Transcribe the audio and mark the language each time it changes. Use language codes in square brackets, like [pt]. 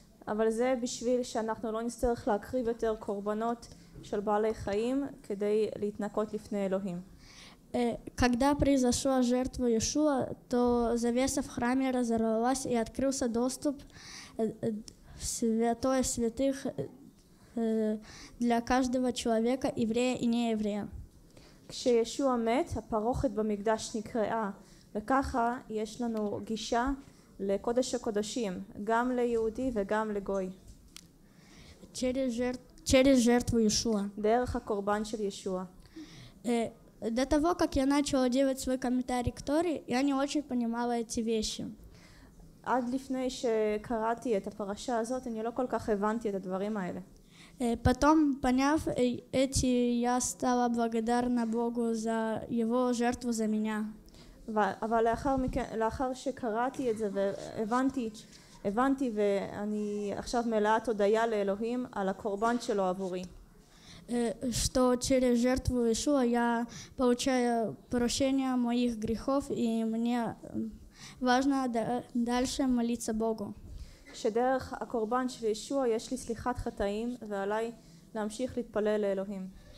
[he] אבל זה בשביל שאנחנו לא נצטרך להקריב יותר קורבנות של בעלי חיים כדי להתנקות לפני אלוהים. [ru] Когда произошла жертва Иешуа, то завеса в храме разорвалась и открылся доступ в святое святых для каждого человека, еврея и нееврея. [he] כשישוע מת, הפרוכת במקדש נקראה, וככה יש לנו גישה לקודש הקודשים, גם ליהודי וגם לגוי. [ru] Через жертву через жертву Иешуа. [he] דרך הקורבן של Иешуа. [ru] До того, как я начала делать свой комментарий к Торе, я не очень понимала эти вещи. [he] עד לפני שקראתי את הפרשה הזאת, אני לא כל כך הבנתי את הדברים האלה. [ru] Потом, поняв эти, я стала благодарна Богу за его жертву за меня. [he] אבל לאחר שקראתי את זה והבנתי ואני עכשיו מלאה תודעה לאלוהים על הקורבן שלו עבורי. [ru] Что через жертву Иешуа я получаю прощение моих грехов и мне важно дальше молиться Богу. [he] שדרך הקורבן של Иешуа יש לי סליחת חטאים ועליי להמשיך להתפלל לאלוהים.